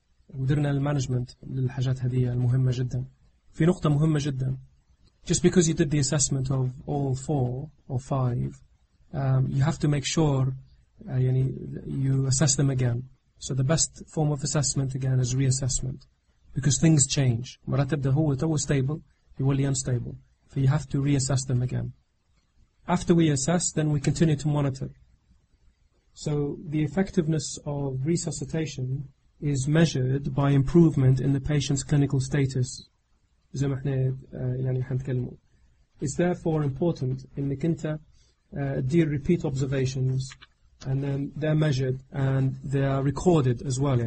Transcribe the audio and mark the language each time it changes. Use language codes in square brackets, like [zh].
[ar] ودرنا المانجمنت للحاجات هذية المهمة جدا. في نقطة مهمة جدا. [en] Just because you did the assessment of all four or five, you have to make sure you assess them again. So the best form of assessment again is reassessment. Because things change. [ar] مرات تبدأ هو تو stable, يولي unstable. [en] So you have to reassess them again. After we assess, then we continue to monitor. So the effectiveness of resuscitation is measured by improvement in the patient's clinical status. [ar] زي ما احنا يعني حنتكلموا. [en] It's therefore important in the كنتا dear repeat observations, and then they're measured and they are recorded as well.